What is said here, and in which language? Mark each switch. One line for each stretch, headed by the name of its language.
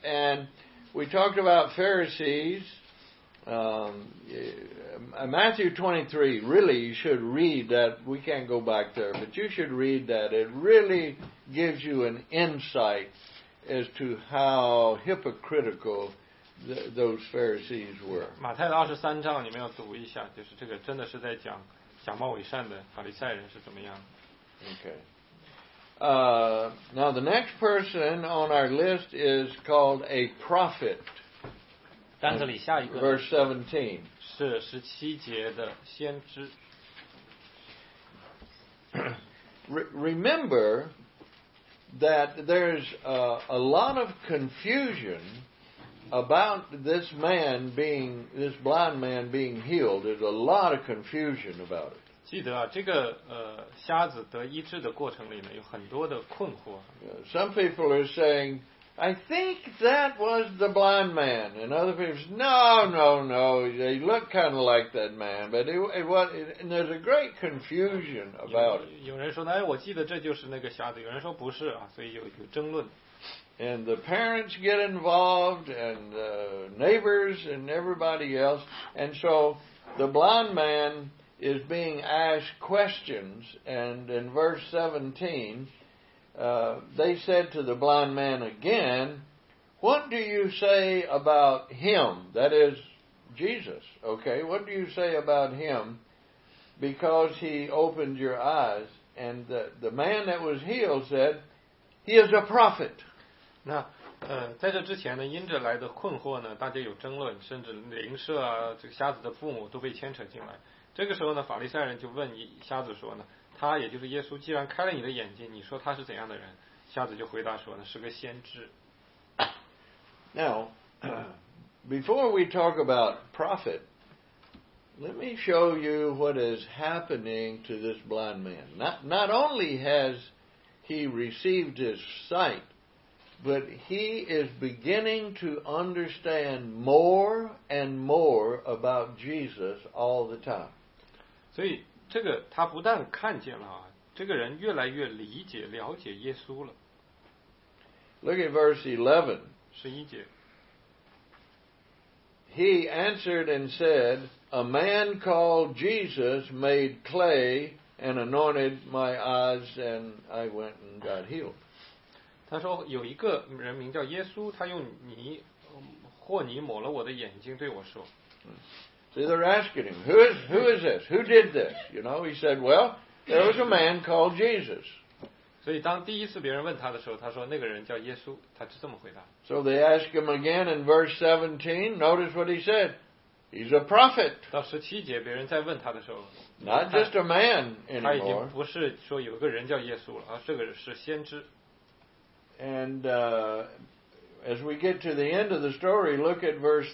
English: And we talked about Pharisees. Matthew 23, really, you should read that. We can't go back there, but you should read that. It really gives you an insight as to how hypocritical those Pharisees were.
Chinese: 马太的二十三章，你们要读一下，就是这个真的是在讲假冒伪善的法利赛人是怎么样。
English: Okay. Now the next person on our list is called a prophet.
Chinese: 单子里下一个。
English: Verse 17.
Chinese: 是十七节的先知。
English: Remember that there's a lot of confusion about this man being, this blind man being healed. There's a lot of confusion about it.
Chinese: 记得啊，这个瞎子得医治的过程里面有很多的困惑。
English: Some people are saying, I think that was the blind man. And other people say, no, he looked kind of like that man. But and there's a great confusion about it.
Chinese: 有人说，哎，我记得这就是那个瞎子。有人说不是啊，所以有争论。
English: And the parents get involved, and the neighbors, and everybody else. And so the blind man is being asked questions. And in verse 17, they said to the blind man again, what do you say about him? That is Jesus. Okay, what do you say about him? Because he opened your eyes. And the man that was healed said, he is a prophet.
Chinese: 那在这之前呢，因着来的困惑呢，大家有争论，甚至灵舍啊，这个瞎子的父母都被牵扯进来。这个时候呢，法利赛人就问瞎子说呢，他也就是耶稣，既然开了你的眼睛，你说他是怎样的人？瞎子就回答说呢，是个先知。
English: Now, before we talk about prophet, let me show you what is happening to this blind man. Not only has he received his sight. But he is beginning to understand more and more about Jesus all the time.
Chinese: 所以这个他不但看见了啊，这个人越来越理解了解耶稣了。
English: Look at verse 11.
Chinese: 十一节。
English: He answered and said, "A man called Jesus made clay and anointed my eyes, and I went and got healed."
Chinese: 他说有一个人名叫耶稣，他用泥或泥抹了我的眼睛，对我说。
English: So they're asking him, who is this? Who did this? You know, he said, well, there was a man called Jesus.
Chinese: 所以当第一次别人问他的时候，他说那个人叫耶稣，他就这么回答。
English: So they ask him again in verse 17. Notice what he said. He's a prophet.
Chinese: 到十七节，别人再问他的时候
English: ，Not just a man anymore.
Chinese: 他已经不是说有个人叫耶稣了，而这个是先知。
English: And as we get to the end of the story, look at verse